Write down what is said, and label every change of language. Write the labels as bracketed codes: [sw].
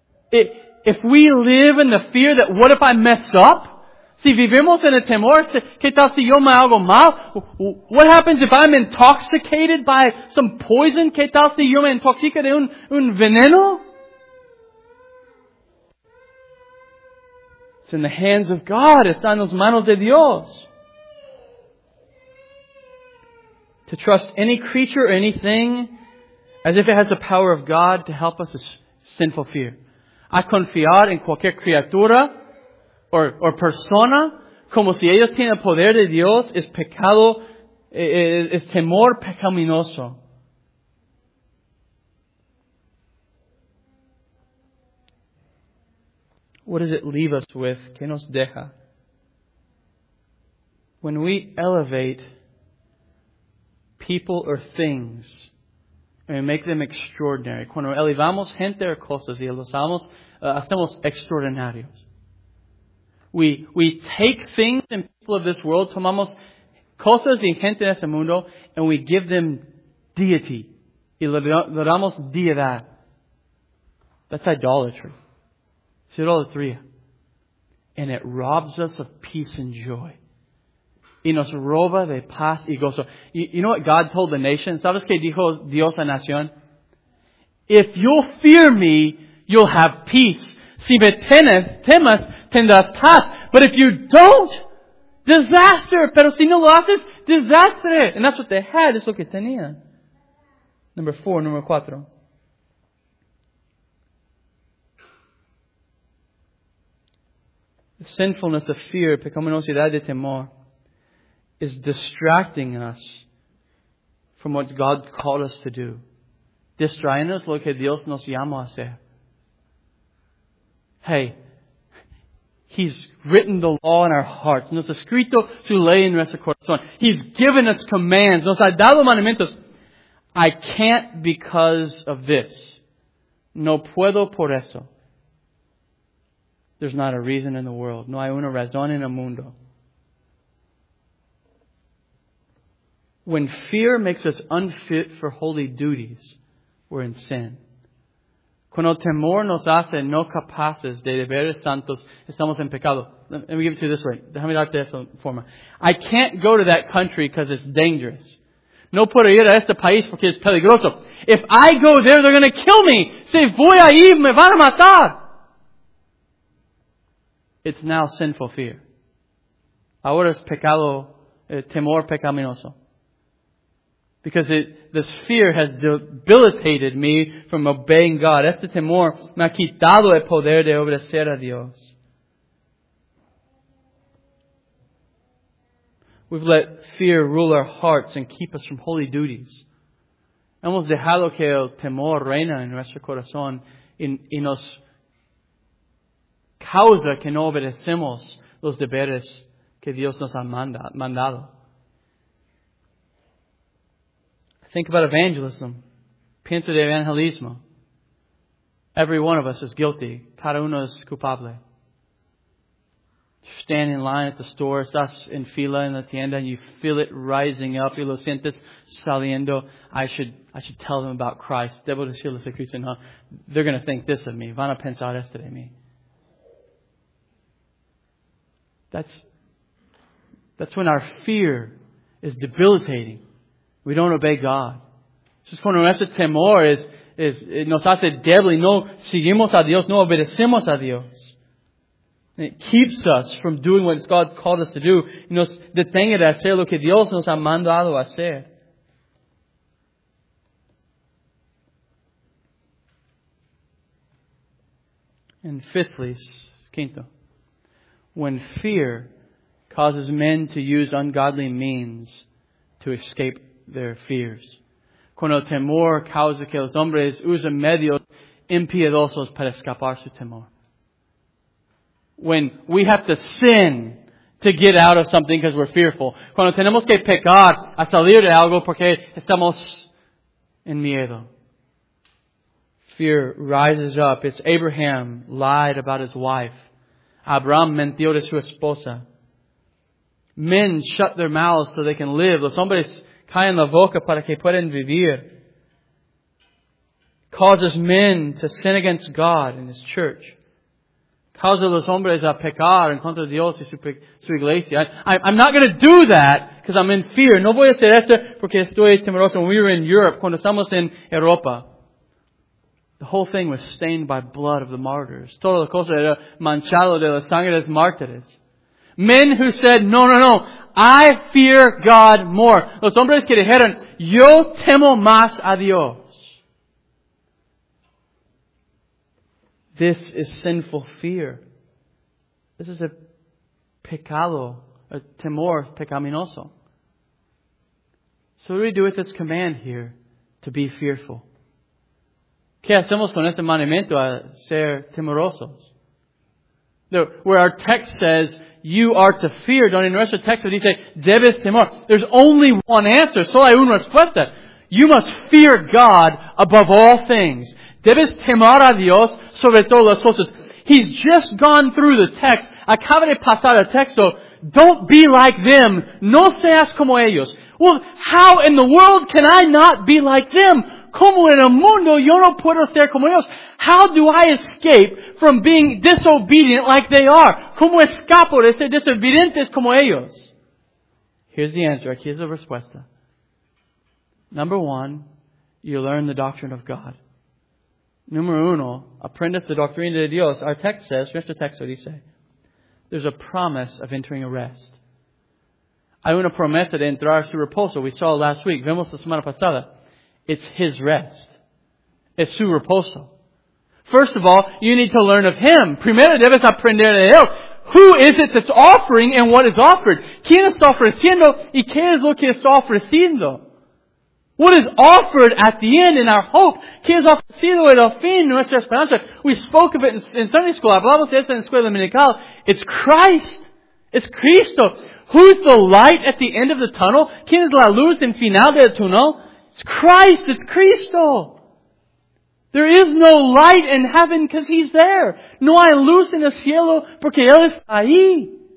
[en] If we live in the fear that what if I mess up? [es] Si vivimos en el temor, ¿qué tal si yo me hago mal? [en] What happens if I'm intoxicated by some poison? [es] ¿Qué tal si yo me intoxico de un veneno? [en] It's in the hands of God. [es] Está en las manos de Dios. [en] To trust any creature or anything as if it has the power of God to help us is sinful fear. [es] A confiar en cualquier criatura or persona como si ellos tienen el poder de Dios es pecado, es temor pecaminoso. [en] What does it leave us with? [es] ¿Qué nos deja? [en] When we elevate people or things and make them extraordinary. [es] Cuando elevamos gente o cosas y los hacemos extraordinarios. [en] We take things and people of this world, [es] tomamos cosas y gente de este mundo, [en] and we give them deity. [es] Y le damos deidad. [en] That's idolatry. [es] It's idolatría. [en] And it robs us of peace and joy. [es] Y nos roba de paz y gozo. [en] You know what God told the nation? [es] ¿Sabes qué dijo Dios a la nación? [en] If you'll fear me, you'll have peace. [es] Si me temas, tendrás paz. [en] But if you don't, disaster. [es] Pero si no lo haces, [en] disaster. And that's what they had. [es] Es lo que tenían. [en] Number 4. The sinfulness of fear, [es] pecaminosidad de temor, [en] is distracting us from what God called us to do. [es] Distraernos lo que Dios nos llama a hacer. [en] Hey, He's written the law in our hearts. [es] Nos ha escrito su ley en nuestro corazón. [en] He's given us commands. [es] Nos ha dado mandamientos. [en] I can't because of this. [es] No puedo por eso. [en] There's not a reason in the world. [es] No hay una razón en el mundo. [en] When fear makes us unfit for holy duties, we're in sin. [es] Cuando temor nos hace no capaces de deberes santos, estamos en pecado. [en] Let me give it to you this way. [es] Déjame darte esa forma. [en] I can't go to that country because it's dangerous. [es] No puedo ir a este país porque es peligroso. [en] If I go there, they're going to kill me. [es] Si voy ahí, me van a matar. [en] It's now sinful fear. [es] Ahora es pecado, temor pecaminoso. [en] Because this fear has debilitated me from obeying God. [es] Este temor me ha quitado el poder de obedecer a Dios. [en] We've let fear rule our hearts and keep us from holy duties. [es] Hemos dejado que el temor reina en nuestro corazón y nos causa que no obedecemos los deberes que Dios nos ha mandado. [en] Think about evangelism. [es] Pienso de evangelismo. [en] Every one of us is guilty. [es] Cada uno es culpable. [en] Stand in line at the store. [es] Estás en fila en la tienda [en] and you feel it rising up. [es] Y lo sientes saliendo. [en] I should tell them about Christ. [es] Debo decirles a Cristo. [en] No, they're going to think this of me. [es] Van a pensar esto de mí. [en] That's when our fear is debilitating. We don't obey God. [es] Eso es cuando nuestro temor es nos hace débil. No seguimos a Dios. No obedecemos a Dios. [en] And it keeps us from doing what God called us to do. [es] Y nos detenga de hacer lo que Dios nos ha mandado a hacer. [en] And fifthly, [es] quinto. [en] When fear causes men to use ungodly means to escape their fears. [es] Cuando el temor causa que los hombres usen medios impiedosos para escapar su temor. [en] When we have to sin to get out of something because we're fearful. [es] Cuando tenemos que pecar a salir de algo porque estamos en miedo. [en] Fear rises up. It's Abraham lied about his wife. [es] Abraham mentió de su esposa. [en] Men shut their mouths so they can live. [es] Los hombres caen la boca para que puedan vivir. [en] Causes men to sin against God and His church. [es] Causa los hombres a pecar en contra de Dios y su iglesia. [en] I'm not going to do that because I'm in fear. [es] No voy a hacer esto porque estoy temeroso. [en] When we were in Europe, [es] cuando estamos en Europa, [en] the whole thing was stained by blood of the martyrs. [es] Todo lo cosa era manchado de la sangre de los mártires. [en] Men who said, no, no, no, I fear God more. [es] Los hombres que dijeron, yo temo más a Dios. [en] This is sinful fear. This is a [es] pecado, a temor pecaminoso. [en] So what do we do with this command here to be fearful? [es] ¿Qué hacemos con este mandamiento a ser temerosos? [en] Where our text says, you are to fear. [es] Donde en nuestro texto dice, debes temor. [en] There's only one answer. [es] Solo hay una respuesta. [en] You must fear God above all things. [es] Debes temor a Dios sobre todas las cosas. [en] He's just gone through the text. [es] Acaba de pasar el texto. [en] Don't be like them. [es] No seas como ellos. [en] Well, how in the world can I not be like them? [es] ¿Cómo en el mundo yo no puedo ser como ellos? [en] How do I escape from being disobedient like they are? [es] ¿Cómo escapo de ser desobedientes como ellos? [en] Here's the answer. [es] Aquí es la respuesta. [en] Number one, you learn the doctrine of God. [es] Número uno, aprendes la doctrina de Dios. [en] Our text says, [es] nuestro texto dice, [en] there's a promise of entering a rest. [es] Hay una promesa de entrar su reposo. [en] We saw last week. [es] Vemos la semana pasada. It's His rest. Es su reposo. [en] First of all, you need to learn of Him. [es] Primero debes aprender de Él. [en] Who is it that's offering and what is offered? [es] ¿Quién está ofreciendo y qué es lo que está ofreciendo? [en] What is offered at the end in our hope? [es] ¿Qué es ofrecido en el fin nuestra esperanza? [en] We spoke of it in Sunday school. [es] Hablamos de eso en escuela dominical. [en] It's Christ. It's Cristo. Who's the light at the end of the tunnel? [es] ¿Quién es la luz en final del túnel? [en] It's Christ. It's Cristo. There is no light in heaven because He's there. [es] No hay luz en el cielo porque Él está ahí.